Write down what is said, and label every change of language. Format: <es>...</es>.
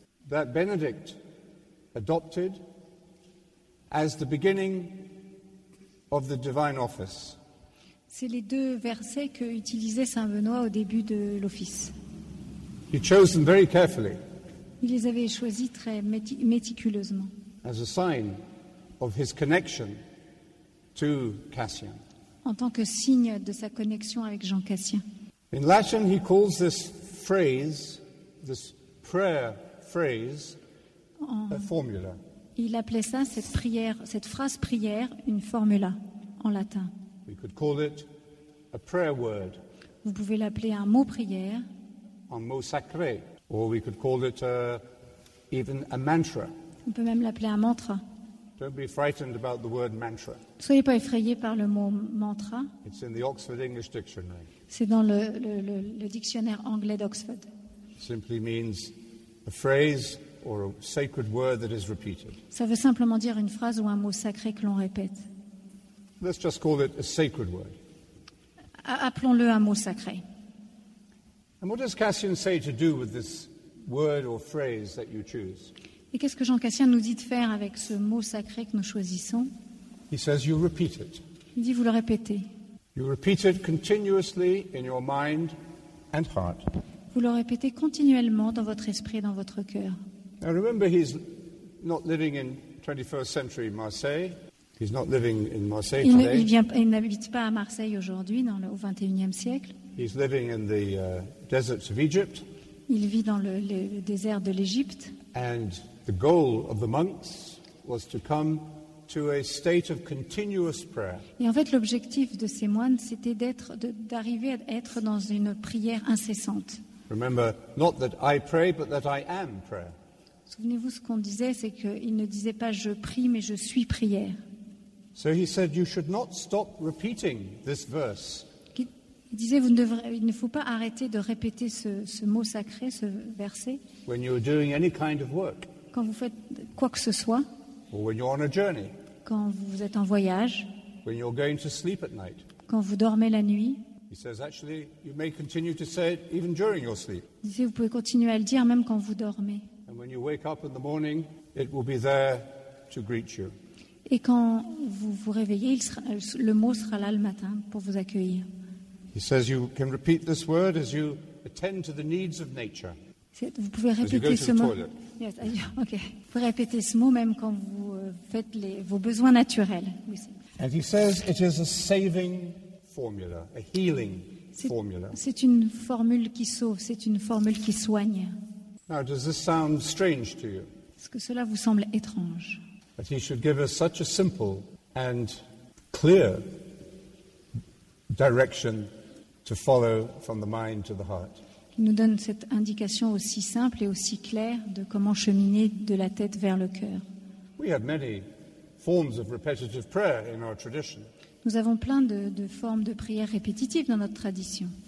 <en>That Benedict adopted as the beginning of the divine office.</en> <fr>C'est les deux versets que utilisait Saint Benoît au début de l'office.</fr> <en>He chose them very carefully.</en> <fr>Il les avait choisis très méticuleusement.</fr> <en>As a sign of his connection to Cassian.</en> <fr>En tant que signe de sa connexion avec Jean Cassien.</fr> <en>In Latin, he calls this phrase, this prayer phrase, a formula.</en> <fr>Il appelait ça cette prière, cette phrase prière, une formula en latin.</fr> <en>We could call it a prayer word.</en> <fr>Vous pouvez l'appeler un mot prière. Un mot sacré.</fr> <en>Or we could call it even a mantra.</en> <fr>On peut même l'appeler un mantra.</fr> <en>Don't be frightened about the word mantra.</en> <fr>Soyez pas effrayé par le mot mantra.</fr> <en>It's in the Oxford English Dictionary.</en> <fr>C'est dans le dictionnaire anglais d'Oxford.</fr> <en>Simply means a phrase or a sacred word that is repeated.</en> <fr>Ça veut simplement dire une phrase ou un mot sacré que l'on répète.</fr> <en>Let's just call it a sacred word.</en> <fr>Appelons-le un mot sacré.</fr> <en>And what does Cassian say to do with this word or phrase that you choose?</en> <fr>Et qu'est-ce que Jean Cassian nous dit de faire avec ce mot sacré que nous choisissons?</fr> <en>He says you repeat it.</en> <fr>Il dit vous le répétez.</fr> <en>You repeat it continuously in your mind and heart.</en> <fr>Vous le répétez continuellement dans votre esprit et dans votre cœur.</fr> <en>Now remember, he's not living in 21st century Marseille. He's not living in Marseille today.</en> <fr>Il n'habite pas à Marseille aujourd'hui, au 21e siècle.</fr> <en>He's living in the deserts of Egypt.</en> <fr>Il vit dans le désert de l'Égypte.</fr> <en>And the goal of the monks was to come to a state of continuous prayer.</en> <fr>Et en fait, l'objectif de ces moines, c'était d'arriver à être dans une prière incessante.</fr> <en>Remember, not that I pray, but that I am prayer.</en> <fr>Souvenez-vous, ce qu'on disait, c'est qu'il ne disait pas je prie, mais je suis prière.</fr> <en>So he said, you should not stop repeating this verse.</en> <fr>Il disait, il ne faut pas arrêter de répéter ce mot sacré, ce verset.</fr> <en>When you're doing any kind of work.</en> <fr>Quand vous faites quoi que ce soit.</fr> <en>Or when you're on a journey.</en> <fr>Quand vous êtes en voyage.</fr> <en>When you're going to sleep at night.</en> <fr>Quand vous dormez la nuit.</fr> <en>He says, actually, you may continue to say it even during your sleep.</en> <fr>Il disait, vous pouvez continuer à le dire même quand vous dormez.</fr> <en>And when you wake up in the morning, it will be there to greet you.</en> <fr>Et quand vous vous réveillez, le mot sera là le matin pour vous accueillir.</fr> <en>He says you can repeat this word as you attend to the needs of nature.</en> <fr>Vous pouvez répéter ce mot.</fr> <en>Yes, okay.</en> <fr>Vous pouvez répéter ce mot même quand vous faites vos besoins naturels.</fr> <en>And he says it is a saving formula, a healing formula.</en> <fr>C'est une formule qui sauve, c'est une formule qui soigne.</fr> <en>Now, does this sound strange to you?</en> <fr>Est-ce que cela vous semble étrange?</fr> <en>That he should give us such a simple and clear direction to follow from the mind to the heart.</en> <fr>Il nous donne cette indication aussi simple et aussi claire de comment cheminer de la tête vers le cœur.</fr> <en>We have many forms of repetitive prayer in our tradition.</en> <fr>Nous avons plein de formes de prières répétitives dans notre tradition.</fr>